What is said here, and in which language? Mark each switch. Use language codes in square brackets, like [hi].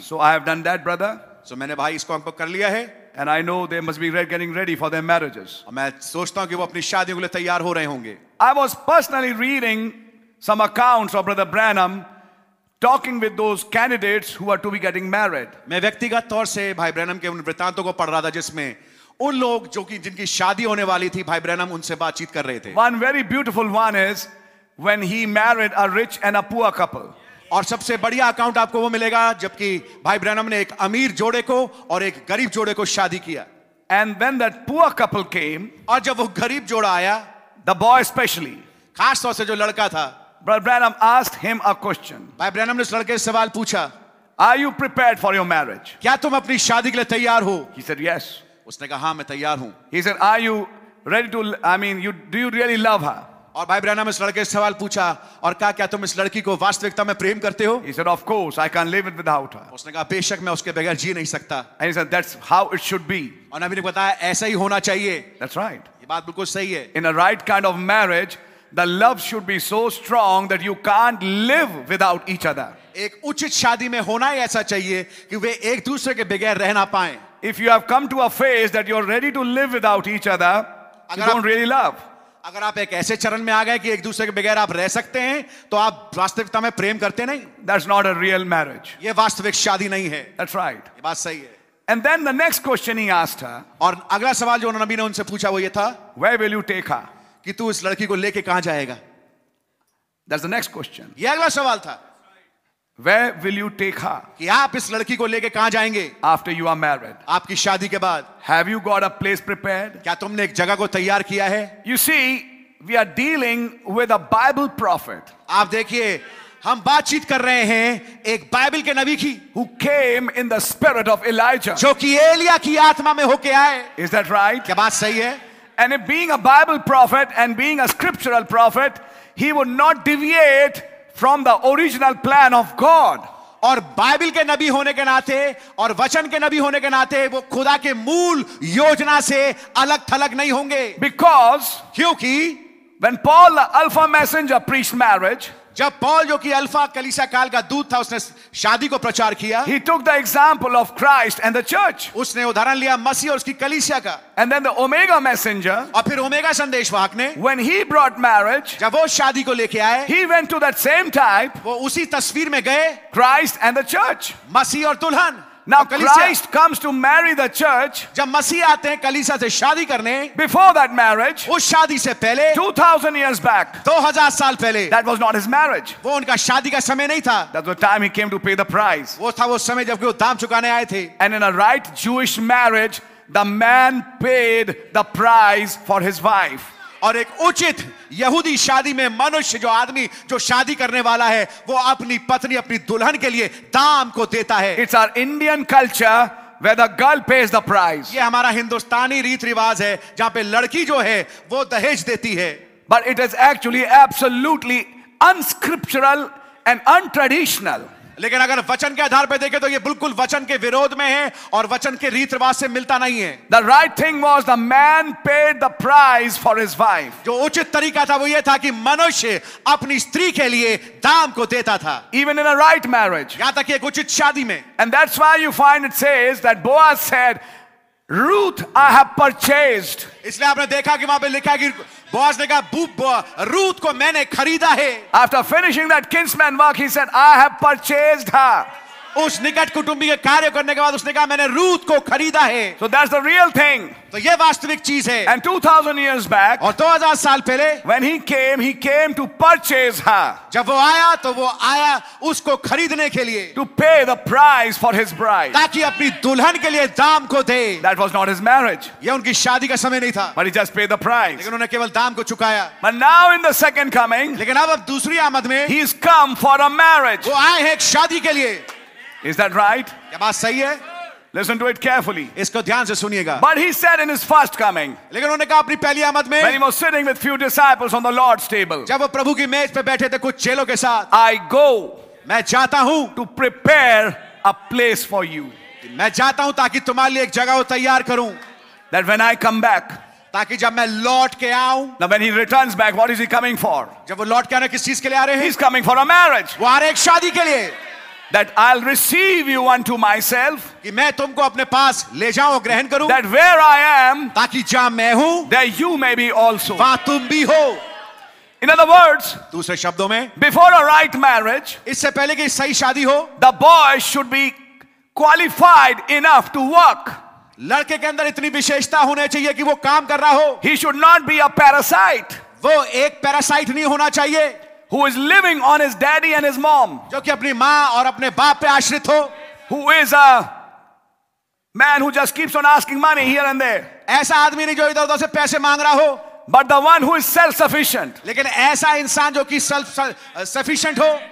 [en] So I have done that, brother. [hi] So मैंने भाई इसको हमको कर लिया है. [en] And I know they must be getting ready for their marriages. [hi] और मैं सोचता हूँ कि वो अपनी शादियों के लिए तैयार हो रहे होंगे. [en] I was personally reading some accounts of Brother Branham talking with those candidates who are to be getting married. [hi] मैं व्यक्तिगत तौर से भाई ब्रैनम के उन वृत्तांतों को पढ़ रहा था जिसमें उन लोग जो कि जिनकी शादी होने वाली थी भाई ब्रैनम उनसे बातचीत कर रहे थे. [en] One very beautiful one is when he married a rich and a poor couple. [hi] और सबसे बढ़िया अकाउंट आपको वो मिलेगा जबकि भाई ब्रैनम ने एक अमीर जोड़े को और एक गरीब जोड़े को शादी किया. [en] and when that poor couple came, [hi] और जब वो गरीब जोड़ा आया, [en] the boy specially, [hi] खासतौर से जो लड़का था, [en] Brother Branham asked him a question. [hi] भाई ब्रैनम ने उस लड़के से सवाल पूछा, [en] are you prepared for your marriage, [hi] क्या तुम अपनी शादी के लिए तैयार हो? [en] he said yes, [hi] उसने कहा हाँ मैं तैयार हूं. [en] He said are you ready to, I mean you, do you really love her? [hi] और भाई ब्रैनम इस लड़के से सवाल पूछा और कहा क्या तुम इस लड़की को वास्तविकता में प्रेम करते हो? [en] He said, of course, I can't live it without her. [hi] उसने कहा बेशक मैं उसके बगैर जी नहीं सकता. [en] And he said, that's how it should be. [hi] और नबी ने बताया ऐसा ही होना चाहिए. [en] That's right. [hi] ये बात बिल्कुल सही है. [en] In a right kind of marriage, the love should be so strong that you can't live without each other. [hi] एक उचित शादी में होना ही ऐसा चाहिए कि वे एक दूसरे के बगैर रह ना पाए. [en] If you have come to a phase that you are ready to live without each other, you don't really love. [hi] अगर आप एक ऐसे चरण में आ गए कि एक दूसरे के बगैर आप रह सकते हैं तो आप वास्तविकता में प्रेम करते नहीं. [en] That's not a real marriage. [hi] ये वास्तविक शादी नहीं है. [en] That's right. [hi] ये बात सही है. [en] And then the next question he asked her, [hi] और अगला सवाल जो नबी ने उनसे पूछा वो ये था, [en] Where will you take her? [hi] कि तू इस लड़की को लेके कहां जाएगा? [en] That's the next question. [hi] ये अगला सवाल था, [en] Where will you take her? [hi] कि आप इस लड़की को लेके कहां जाएंगे? [en] After you are married. [hi] आपकी शादी के बाद. [en] Have you got a place prepared? [hi] क्या तुमने एक जगह को तैयार किया है? [en] You see, we are dealing with a Bible prophet. [hi] आप देखिए, हम बातचीत कर रहे हैं एक बाइबल के नबी की. [en] Who came in the spirit of Elijah. [hi] जो कि एलिया की आत्मा में होके आए. [en] Is that right? [hi] क्या बात सही है? [en] And being a Bible prophet and being a scriptural prophet, he would not deviate from the original plan of God. [hi] और बाइबल के नबी होने के नाते और वचन के नबी होने के नाते वो खुदा के मूल योजना से अलग थलग नहीं होंगे. [en] Because [hi] क्योंकि [en] when Paul the Alpha messenger preached marriage, [hi] जब पॉल जो कि अल्फा कलीसिया काल का दूत था उसने शादी को प्रचार किया. [en] He took the example of Christ and the church. [hi] उसने उदाहरण लिया मसीह और उसकी कलीसिया का. [en] And then the Omega messenger, [hi] और फिर ओमेगा संदेशवाहक ने, [en] when he brought marriage, [hi] जब वो शादी को लेके आए, [en] he went to that same type, [hi] वो उसी तस्वीर में गए, [en] Christ and the church, [hi] मसीह और दुल्हन. [en] Now Christ comes to marry the church. [hi] जब मसीह आते हैं कलीसिया से शादी करने, [en] before that marriage, [hi] उस शादी से पहले, [en] 2000 years back, [hi] 2000 साल पहले, [en] that was not his marriage. [hi] वो उनका शादी का समय नहीं था. [en] That was the time he came to pay the price. [hi] वो था वो समय जब वो दाम चुकाने आए थे. [en] And in a right Jewish marriage, the man paid the price for his wife. [hi] और एक उचित यहूदी शादी में मनुष्य जो आदमी जो शादी करने वाला है वो अपनी पत्नी अपनी दुल्हन के लिए दाम को देता है. [en] It's our Indian culture where the girl pays the price. [hi] ये हमारा हिंदुस्तानी रीति रिवाज है जहां पे लड़की जो है वो दहेज देती है. [en] But it is actually absolutely unscriptural and untraditional. [hi] लेकिन अगर वचन के आधार पर देखें तो ये बिल्कुल वचन के विरोध में है और वचन के रीति रिवाज से मिलता नहीं है. [en] The right thing was the man paid the price for his wife. [hi] जो उचित तरीका था वो ये था कि मनुष्य अपनी स्त्री के लिए दाम को देता था. [en] even in a right marriage, [hi] यहां तक एक उचित शादी में. [en] And that's why you find it says that Boaz said Ruth I have purchased. [hi] इसलिए आपने देखा कि वहां पे लिखा कि बॉस ने कहा रूथ को मैंने खरीदा है. [en] After finishing that kinsman work, he said, I have purchased her. [hi] उस निकट कुटुंबी के कार्य करने के बाद उसने कहा मैंने रूथ को खरीदा है. [en] So that's the real thing. [hi] तो ये वास्तविक चीज है. [en] And 2000 years back, [hi] और 2000 साल पहले, [en] when he came to purchase her. [hi] जब वो आया तो वो आया उसको खरीदने के लिए. [en] To pay the price for his bride. [hi] ताकि अपनी दुल्हन के लिए दाम को दे. [en] That was not his marriage. [hi] ये उनकी शादी का समय नहीं था. [en] But he just paid the price. [hi] लेकिन उन्होंने केवल दाम को चुकाया. [en] But now in the second coming, [hi] लेकिन अब दूसरी आमद में, [en] he's come for a marriage. [hi] वो आए हैं एक शादी के लिए. [en] Is that right? [hi] ये बात सही है? [en] Listen to it carefully. [hi] इसको ध्यान से सुनिएगा. [en] But he said in his first coming. [hi] लेकिन उन्होंने कहा अपनी पहली आमद में. [en] When he was sitting with few disciples on the Lord's table. [hi] जब वो प्रभु की मेज पे बैठे थे कुछ चेलों के साथ. [en] I go. [hi] मैं जाता हूँ. [en] To prepare a place for you. [hi] मैं जाता हूँ ताकि तुम्हारे लिए एक जगह तैयार करूँ. [en] That when I come back. [hi] ताकि जब मैं लौट के आऊं. [en] Now when he returns back, what is he coming for? [hi] जब वो लौट के आने किस चीज के लिए आ रहे हैं? [en] He's coming for a marriage. [hi] वो आ रहे एक शादी के लिए. [en] That I'll receive you unto myself. [hi] कि मैं तुमको अपने पास ले जाऊं और ग्रहण करूं. [en] That where I am, [hi] ताकि जहां मैं हूं, [en] there you may be also. [hi] वहां तुम भी हो. [en] In other words, [hi] दूसरे शब्दों में, [en] before a right marriage, [hi] इससे पहले कि सही शादी हो, [en] the boy should be qualified enough to work. [hi] लड़के के अंदर इतनी विशेषता होनी चाहिए कि वो काम कर रहा हो. [en] He should not be a parasite. [hi] वो एक parasite नहीं होना चाहिए. [en] who is living on his daddy and his mom, [hi] jo ki apni maa aur apne baap pe aashrit ho, [en] who is a man who just keeps on asking money here and there, [hi] aisa aadmi nahi jo idhar udhar se paise mang raha ho, [en] but the one who is self sufficient, [hi] lekin aisa insaan jo ki [en] self sufficient [hi] ho.